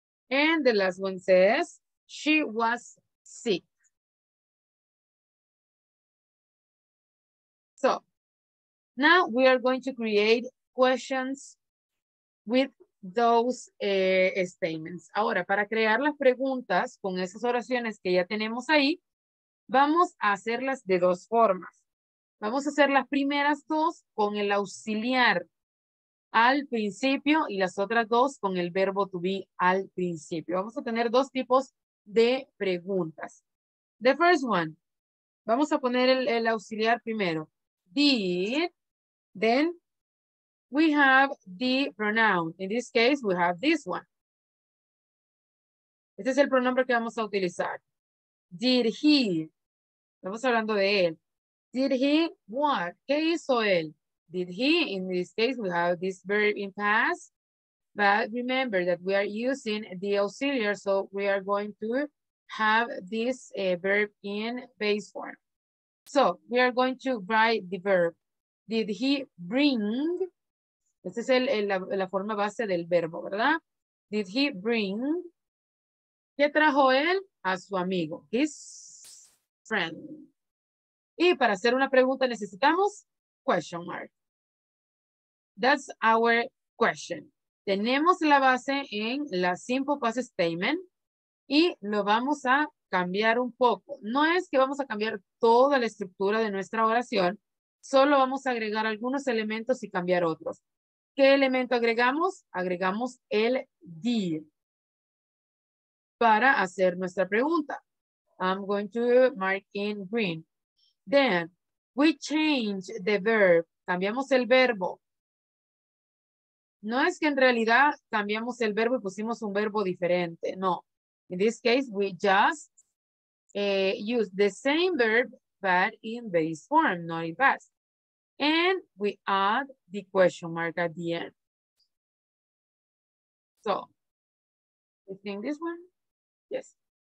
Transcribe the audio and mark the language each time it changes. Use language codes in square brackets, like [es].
[en] And the last one says, she was sick. So now we are going to create questions with those statements. [es] Ahora, para crear las preguntas con esas oraciones que ya tenemos ahí, vamos a hacerlas de dos formas. Vamos a hacer las primeras dos con el auxiliar al principio y las otras dos con el verbo to be al principio. Vamos a tener dos tipos de preguntas. [en] The first one, [es] vamos a poner el auxiliar primero. [en] Did, then we have the pronoun. In this case, we have this one. [es] Este es el pronombre que vamos a utilizar. [en] Did he, [es] estamos hablando de él. [en] Did he what? [es] ¿Qué hizo él? [en] Did he? In this case, we have this verb in past. But remember that we are using the auxiliary, so we are going to have this verb in base form. So we are going to write the verb. Did he bring? [es] Este es la forma base del verbo, ¿verdad? [en] Did he bring? [es] ¿Qué trajo él? A su amigo. [en] His friend. [es] Y para hacer una pregunta necesitamos question mark. [en] That's our question. [es] Tenemos la base en la simple past statement y lo vamos a cambiar un poco. No es que vamos a cambiar toda la estructura de nuestra oración, solo vamos a agregar algunos elementos y cambiar otros. ¿Qué elemento agregamos? Agregamos el did para hacer nuestra pregunta. [en] I'm going to mark in green. Then, we change the verb. [es] Cambiamos el verbo. No es que en realidad cambiamos el verbo y pusimos un verbo diferente. No. [en] In this case, we just use the same verb, but in base form, not in past. And we add the question mark at the end. So, you think this one? Yes.